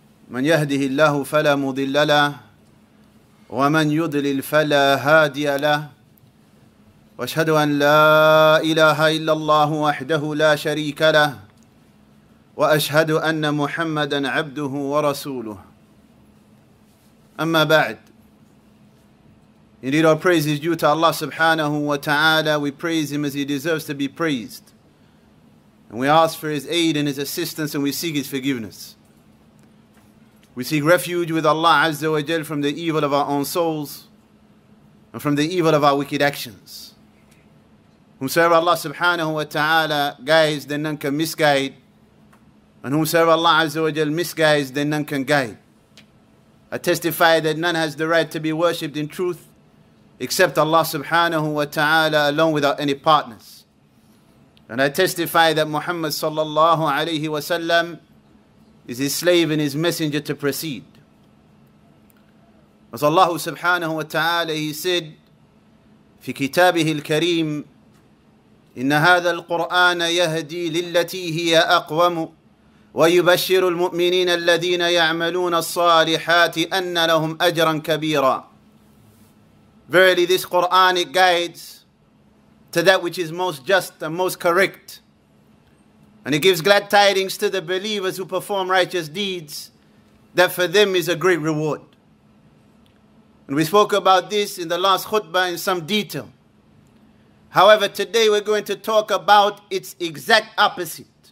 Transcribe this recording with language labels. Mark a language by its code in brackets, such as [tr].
[ar] من يهده الله فلا مضل له ومن يضلل فلا هادي له وأشهد أن لا إله إلا الله وحده لا شريك له وأشهد أن محمدًا عبده ورسوله أما بعد. [en] Indeed, our praise is due to Allah subhanahu wa ta'ala. We praise Him as He deserves to be praised. And we ask for His aid and His assistance, and we seek His forgiveness. We seek refuge with Allah azza wa jal from the evil of our own souls and from the evil of our wicked actions. Whomsoever Allah subhanahu wa ta'ala guides, then none can misguide. And whomsoever Allah azza wa jal misguides, then none can guide. I testify that none has the right to be worshipped in truth except Allah subhanahu wa ta'ala alone without any partners. And I testify that Muhammad sallallahu alayhi wa sallam is his slave and his messenger to proceed. As Allah subhanahu wa ta'ala, he said, [ar] في كتابه الكريم, إن هذا القرآن يهدي للتي هي أقوم ويبشر المؤمنين الذين يعملون الصالحات أن لهم أجرا كبيرا. [en] Verily this Quran, it guides to that which is most just and most correct. And it gives glad tidings to the believers who perform righteous deeds, that for them is a great reward. And we spoke about this in the last khutbah in some detail. However, today we're going to talk about its exact opposite.